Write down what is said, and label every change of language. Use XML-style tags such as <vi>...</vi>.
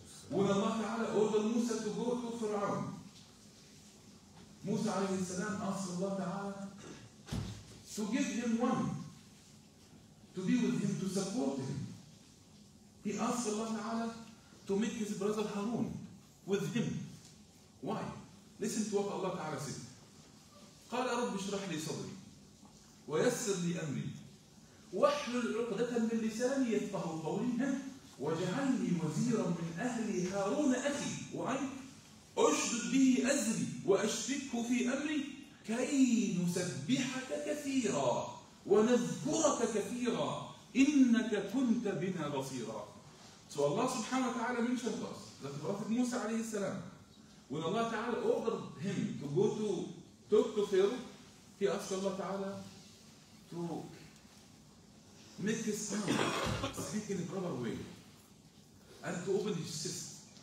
<en>When Allah ta'ala ordered Musa to go to Fir'aun, Musa alayhi wa salam asked Allah ta'ala to give him one to be with him, to support him. He asked Allah Ta'ala to make his brother Harun with him. Why? Listen to what Allah Ta'ala said.</en> <ar>قال رب اشرح لي صدري ويسر لي أمري واحلل عقدة من لساني يفقه قولي واجعلني وزيرا من أهلي هارون أخي وعين أشدد به أزري وأشركه في أمري كي نسبحك كثيرا ونذكرك كثيرا إنك كنت بنا بصيرا.</ar> <en>So Allah subhanahu wa ta'ala mentioned us that Prophet Musa alayhi salam, when Allah ta'ala ordered him to go to talk to Pharaoh, he asked Allah ta'ala to make his tongue speak in a proper way and to open his chest.</en>